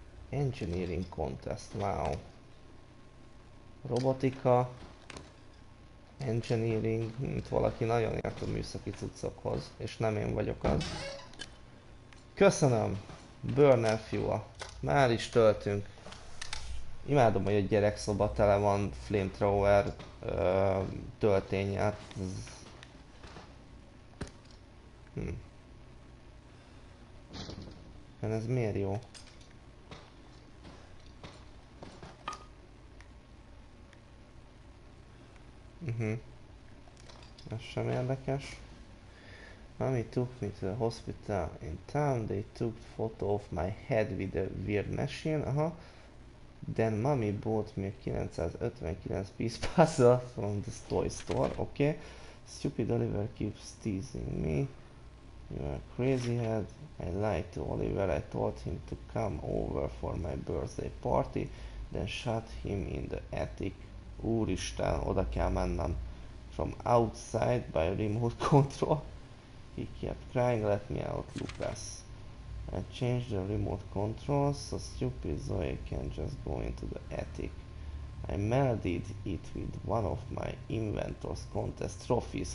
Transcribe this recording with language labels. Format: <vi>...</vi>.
<en>Engineering contest, wow.</en> <hu>Robotika. Engineering. Mint valaki nagyon ért a műszaki cuccokhoz. És nem én vagyok az. Köszönöm.</hu> <en>Burner fuel.</en> <hu>Már is töltünk. Imádom, hogy a gyerekszoba tele van flamethrower töltényel. Ez miért jó? Ez sem érdekes.</hu> <en>Mami took me to the hospital in town. They took photo of my head with a weird machine. Aha. Then mommy bought me a 959 piece puzzle from the toy store. Okay. Stupid Oliver keeps teasing me. You are a crazy head. I lied to Oliver. I told him to come over for my birthday party. Then shot him in the attic.</en> <hu>Úristen, oda kell mennem.</hu> <en>From outside by remote control. He kept crying, let me out, Lucas. I changed the remote controls, so stupid Zoe can't just go into the attic. I melded it with one of my inventor's contest trophies.</en>